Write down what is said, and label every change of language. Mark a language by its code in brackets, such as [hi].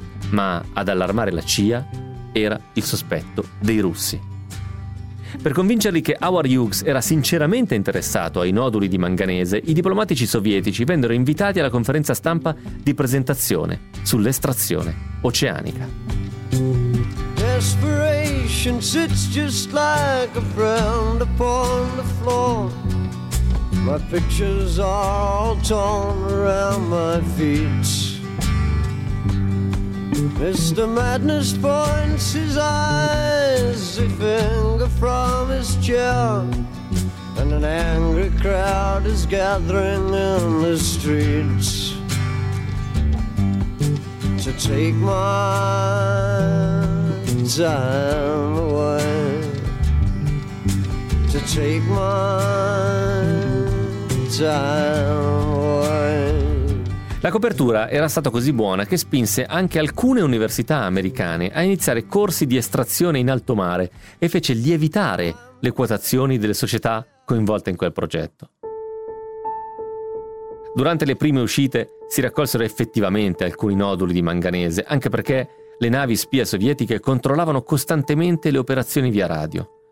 [it] Ma ad allarmare la CIA era il sospetto dei russi. Per convincerli che Howard Hughes era sinceramente interessato ai noduli di manganese, i diplomatici sovietici vennero invitati alla conferenza stampa di presentazione sull'estrazione oceanica. [en] Desperation sits just like a friend upon the floor. My pictures are all torn around my feet. Mr. Madness points his eyes, a finger from his chair, and an angry crowd is gathering in the streets to take my time away, to take my time away. [it] La copertura era stata così buona che spinse anche alcune università americane a iniziare corsi di estrazione in alto mare e fece lievitare le quotazioni delle società coinvolte in quel progetto. Durante le prime uscite si raccolsero effettivamente alcuni noduli di manganese, anche perché le navi spia sovietiche controllavano costantemente le operazioni via radio.